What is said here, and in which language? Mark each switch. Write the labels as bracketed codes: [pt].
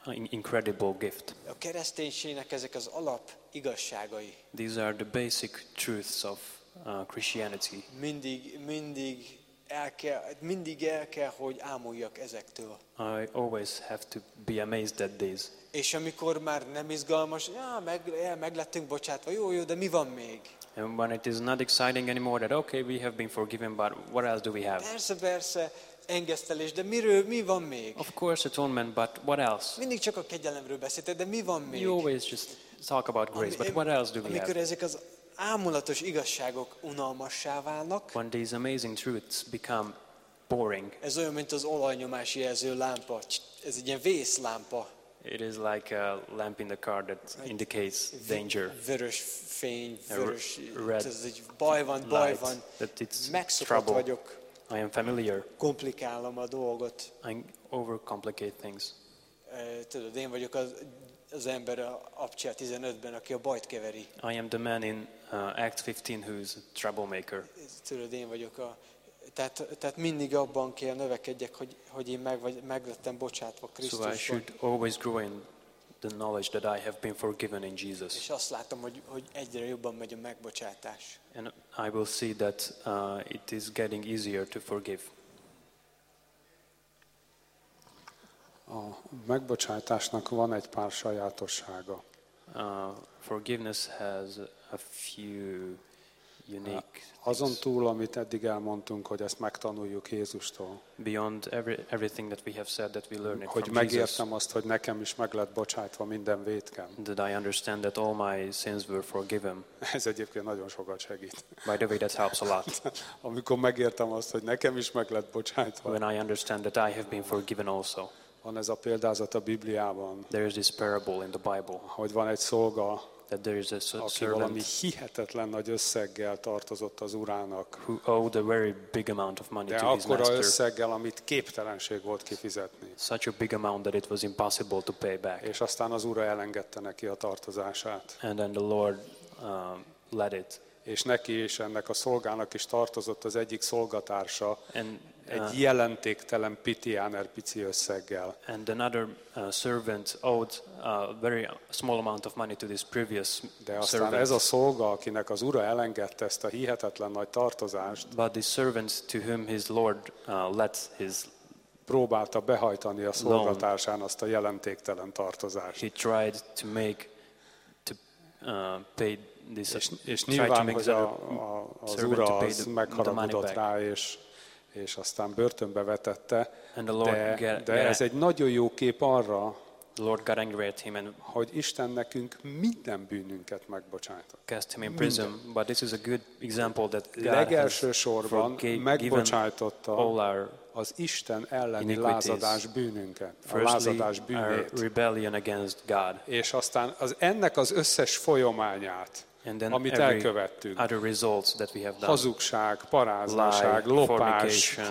[en] incredible gift. [hu] A kereszténységnek ezek az alap igazságai. [en] These are the basic truths of Christianity. [hu] Mindig el kell, hogy ámuljak ezektől. [en] I always have to be amazed at these. [hu] És amikor már nem izgalmas, meglettünk bocsátva, jó, de mi van még? [en] And when it is not exciting anymore, that okay, we have been forgiven, but what else do we have? [hu] Persze, engesztelés, de miről, mi van még? [en] Of course, atonement, but what else? [hu] Mindig csak a kegyelemről beszélted, de mi van még? [en] You always just talk about grace, but what else do we [hu] amikor [en] have? [hu] Ezek az ámulatos igazságok unalmassá válnak. [en] When these amazing truths become boring. [hu] Ez olyan, mint az olajnyomás jelző lámpa. Ez egy ilyen vészlámpa. [en] It is like a lamp in the car that indicates danger. [hu] Vörös fény, vörös, ez egy baj van. [en] That it's trouble. [hu] Vagyok. [en] I am familiar. [hu] Komplikálom a dolgot. [en] I overcomplicate things. [hu] Tudod, én vagyok az ember a Abcsia 15-ben, aki a bajt keveri. [en] I am the man in Acts 15 who's a troublemaker. [hu] Tudod, én vagyok a... Tehát mindig abban kell növekedjek, hogy én meglettem bocsátva Krisztusban. [en] So I should always grow in the knowledge that I have been forgiven in Jesus. [hu] És azt látom, hogy egyre jobban megy a megbocsátás. [en] And I will see that it is getting easier to forgive. [hu] A megbocsátásnak van egy pár sajátossága. [en] Forgiveness has a few unique things. [hu] Azon túl, amit eddig elmondtunk, hogy ezt megtanuljuk Jézustól. [en] Beyond everything that we have said that we learn it. [hu] Hogy megértem azt, hogy nekem is meg lett bocsátva minden vétkem. [en] That I understand that all my sins were forgiven. [hu] Ez egyébként nagyon sokat segít. [en] By the way, that helps a lot. [hu] Amikor megértem azt, hogy nekem is meg lett bocsátva. [en] When I understand that I have been forgiven also. [hu] Van ez a példázat a Bibliában. [en] There is this parable in the Bible. [hu] Hogy van egy szolga, [en] that there is a servant, [hu] aki valami hihetetlen nagy összeggel tartozott az urának. [en] Who owed a very big amount of money to his master. [hu] De akkora összeggel, amit képtelenség volt kifizetni. [en] Such a big amount that it was impossible to pay back. [hu] És aztán az ura elengedte neki a tartozását. [en] And then the Lord let it. [hu] És neki és ennek a szolgának is tartozott az egyik szolgatársa egy jelentéktelen pitiáner pici összeggel. [en] And another servant owed a very small amount of money to this previous [hu] de aztán [en] servant. [hu] Ez a szolga, akinek az ura elengedte ezt a hihetetlen nagy tartozást, [en] but the servant to whom his lord let his [hu] próbálta behajtani a szolgatársán azt a jelentéktelen tartozást. [en] He tried to make to pay this, [hu] és nyilván, hogy az ura az megharagudott rá, és aztán börtönbe vetette, de ez egy nagyon jó kép arra, [en] Lord got angry at him and [hu] hogy Isten nekünk minden bűnünket megbocsátott. [en] Cast him in prison, but this is a good example that God [hu] legelső sorban megbocsájtotta az Isten elleni lázadás bűnünket, [en] firstly, [hu] a lázadás bűnét, [en] rebellion against God. [hu] És aztán az ennek az összes folyamányát, [en] and then [hu] amit elkövettünk, [en] other results that we have done. [hu] Hazugság, parázlaság, lopás,